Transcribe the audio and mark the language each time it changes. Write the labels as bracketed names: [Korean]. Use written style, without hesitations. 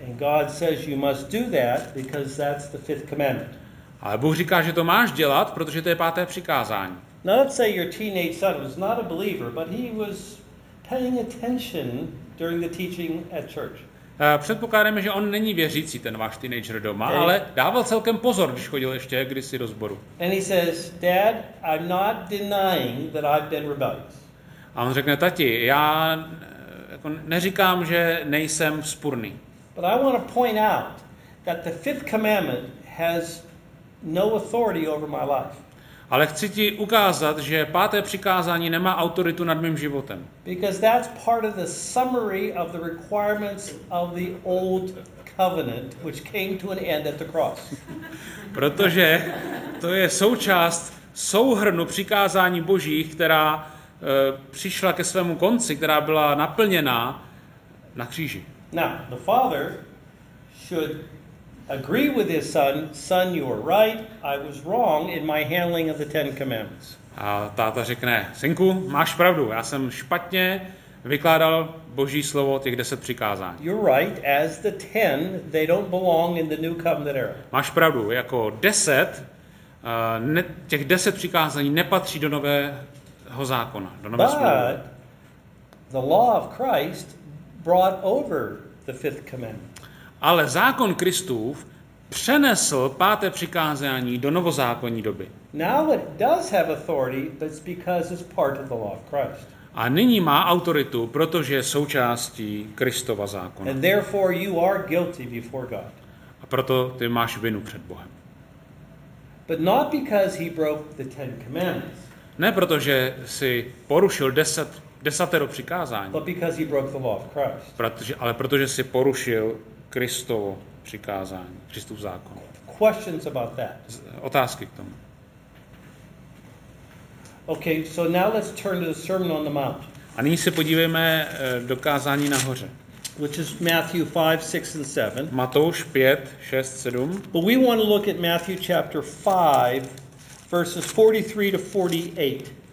[English] And God says you must do that because that's the fifth commandment. [Czech] Ale Bůh říká, že to máš dělat, protože to je páté přikázání. [English] Now let's say your teenage son was not a believer, but he was paying attention during the teaching at church. [Czech] Předpokládáme, že on není věřící, ten váš teenager doma, okay. Ale dával celkem pozor, když chodil ještě kdysi do sboru. [English] And he says, Dad, I'm not denying that I've been rebellious. [Czech] A on řekne, tati, já jako neříkám, že nejsem vzpůrný. [English] But I want to point out that the fifth commandment has no authority over my life. [Czech] Ale chci ti ukázat, že páté přikázání nemá autoritu nad mým životem. [English] Because that's part of the summary of the requirements of the old covenant, which came to an end at the cross. [Czech] Protože to je součást souhrnu přikázání božích, která přišla ke svému konci, která byla naplněna na kříži. [English] Now, the father should agree with his son. Son, you are right. I was wrong in my handling of the Ten Commandments. [Czech] A táta řekne, synku, máš pravdu. Já jsem špatně vykládal Boží slovo těch 10 přikázání. [English] You're right. As the 10, they don't belong in the New Covenant era. [Czech] Máš pravdu. Jako 10, těch 10 přikázání nepatří do nového zákona, do nové smlouvy. [English] But the law of Christ brought over the fifth commandment. [Czech] Ale zákon Kristův přenesl páté přikázání do novozákonní doby. [English] Now it does have authority, but it's because it's part of the law of Christ. [Czech] A nyní má autoritu, protože je součástí Kristova zákona. [English] And therefore you are guilty before God. [Czech] A proto ty máš vinu před Bohem. [English] But not because he broke the Ten Commandments. [Czech] Ne protože si porušil 10 přikázání. [English] But because he broke the law of Christ. [Czech] Protože si porušil Kristovo přikázání, Kristův zákon. [English] Questions about that. [Czech] Otázky k tomu. [English] Okay, so now let's turn to the Sermon on the Mount. [Czech] A nyní se podívejme do kázání nahoře. [English] Which is Matthew 5, 6 and 7. [Czech] Matouš 5, 6, 7. [English] But we want to look at Matthew chapter 5, verses 43 to 48.